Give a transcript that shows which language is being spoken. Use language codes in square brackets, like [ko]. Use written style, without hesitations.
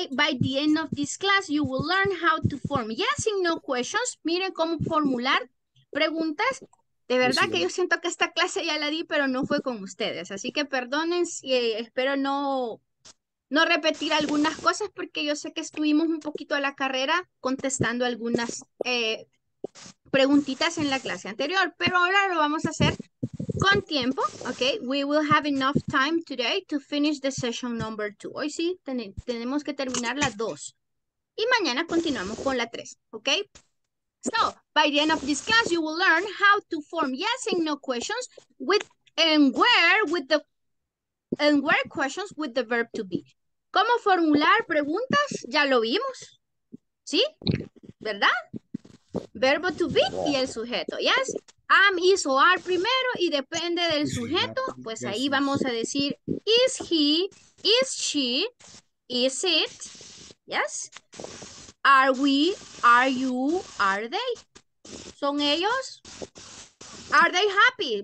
[en] By the end of this class, you will learn how to form yes and no questions. [es] Miren cómo formular preguntas. De verdad que yo siento que esta clase ya la di, pero no fue con ustedes. Así que perdonen si espero no repetir algunas cosas, porque yo sé que estuvimos un poquito a la carrera contestando algunas preguntitas en la clase anterior. Pero ahora lo vamos a hacer con tiempo, ¿ok? [en] We will have enough time today to finish the session number two. [es] Hoy sí, tenemos que terminar la dos. Y mañana continuamos con la tres, ¿ok? [en] So, by the end of this class, you will learn how to form yes and no questions and where questions with the verb to be. [es] ¿Cómo formular preguntas? Ya lo vimos. ¿Sí? ¿Verdad? Verbo to be y el sujeto. [en] Yes? [es] am, is o are primero y depende del sujeto, pues ahí vamos a decir [en] is he, is she, is it, yes, are we, are you, are they. [es] ¿Son ellos? [en] Are they happy?